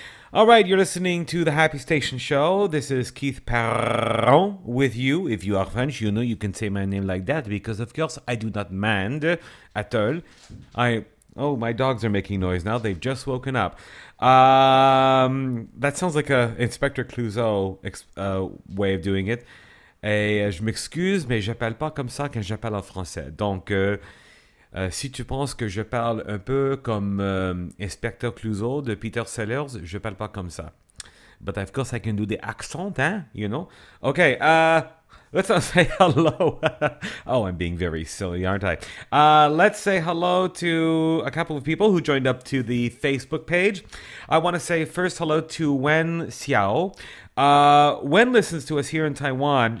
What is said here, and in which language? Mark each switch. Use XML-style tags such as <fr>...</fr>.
<en>All right, you're listening to The Happy Station Show. This is Keith Perron with you. If you are French, you know you can say my name like that because, of course, I do not mind at all. Oh, my dogs are making noise now. They've just woken up. That sounds like a Inspector Clouseau way of doing it.</en> <fr>Et je m'excuse, mais je parle pas comme ça quand j'appelle en français. Donc, si tu penses que je parle un peu comme Inspecteur Clouseau de Peter Sellers, je parle pas comme ça.</fr> <en>But of course I can do the accent, hein, you know? Okay, let's not say hello. Oh, I'm being very silly, aren't I? Let's say hello to a couple of people who joined up to the Facebook page. I want to say first hello to Wen Xiao. Wen listens to us here in Taiwan.</en>